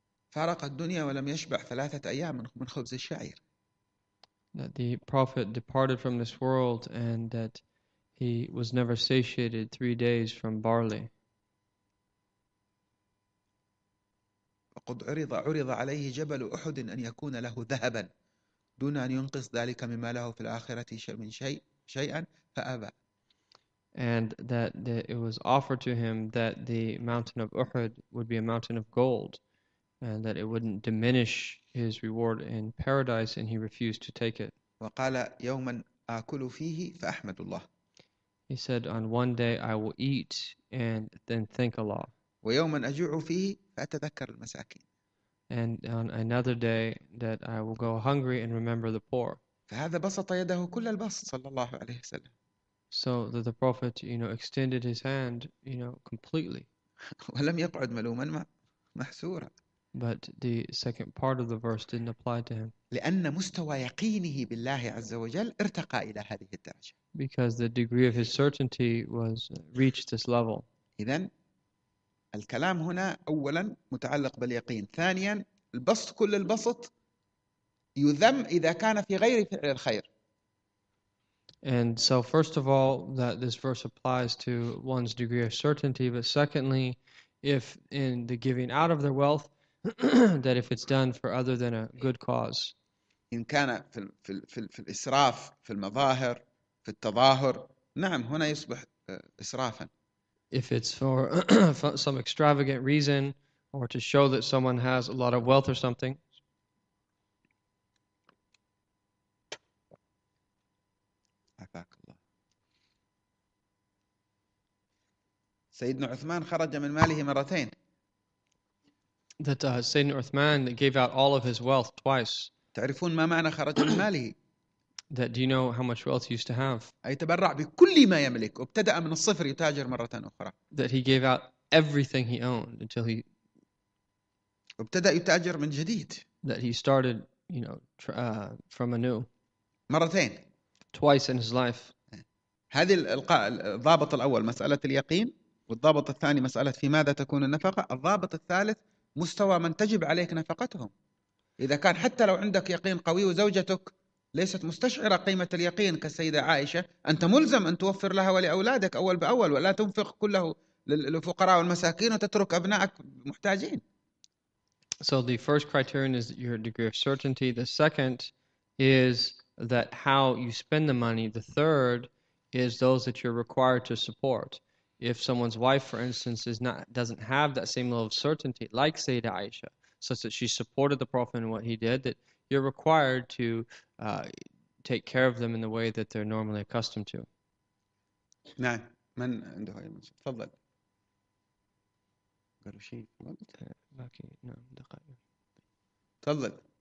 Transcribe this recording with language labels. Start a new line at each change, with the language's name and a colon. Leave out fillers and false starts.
Arabic: فارق الدنيا ولم يشبع ثلاثة أيام من خبز الشعير.
English: That the Prophet departed from this world and that he was never satiated 3 days from barley.
Arabic: وقد عرض عليه جبل أحد أن يكون له ذهبا دون أن ينقص ذلك مما له في الآخرة من شيء شيئا فأبى.
English: and that the, it was offered to him that the mountain of Uhud would be a mountain of gold, and that it wouldn't diminish his reward in paradise, and he refused to take it.
Arabic: وقال يوما آكل فيه فأحمد الله.
English: He said, on one day I will eat and then thank Allah.
Arabic: ويوما أجوع فيه فأتذكر المساكين.
English: And on another day that I will go hungry and remember the poor.
Arabic: فهذا بسط يده كل البسط صلى الله عليه وسلم.
English: So that the Prophet, you know, extended his hand, you know, completely.
Arabic: ولم يقعد ملوما محسورا.
English: But the second part of the verse didn't apply to him.
Arabic: لأن مستوى يقينه بالله عز وجل ارتقى إلى هذه الدرجة.
English: Because the degree of his certainty was reached this level.
Arabic: إذن الكلام هنا أولا متعلق باليقين، ثانيا البسط كل البسط يذم إذا كان في غير فعل الخير.
English: And so first of all, that this verse applies to one's degree of certainty, but secondly, if in the giving out of their wealth, that if it's done for other than a good cause.
Arabic: إن كان في الـ في الـ في الـ في الإسراف في المظاهر في التظاهر، نعم هنا يصبح إسرافا.
English: If it's for some extravagant reason or to show that someone has a lot of wealth or something.
Arabic: سيدنا عثمان خرج من ماله مرتين.
English: That Sayyidina Uthman gave out all of his wealth twice.
Arabic: تعرفون ما معنى خرج من ماله؟
English: That do you know how much wealth he used to have?
Arabic: أي تبرع بكل ما يملك وابتدأ من الصفر يتاجر مرة أخرى.
English: That he gave out everything he owned until he
Arabic: وابتدأ يتاجر من جديد.
English: That he started, you know, from anew.
Arabic: مرتين.
English: Twice in his life.
Arabic: هذه الضابط الأول مسألة اليقين، والضابط الثاني مسألة في ماذا تكون النفقة، الضابط الثالث مستوى من تجب عليك نفقتهم. إذا كان حتى لو عندك يقين قوي وزوجتك ليست مستشعرة قيمة اليقين كالسيدة عائشة، أنت ملزم أن توفر لها ولأولادك أول بأول، ولا تنفق كله للفقراء والمساكين وتترك أبنائك محتاجين.
English: So the first criterion is your degree of certainty. The second is that how you spend the money. The third is those that you're required to support. If someone's wife, for instance, is not doesn't have that same level of certainty like Sayyida Aisha, such that she supported the Prophet in what he did, that you're required to take care of them in the way that they're normally accustomed to.
Arabic: نعم من عنده أي مشكلة تفضل. قالوا شيء باقي نعم دقائق تفضل.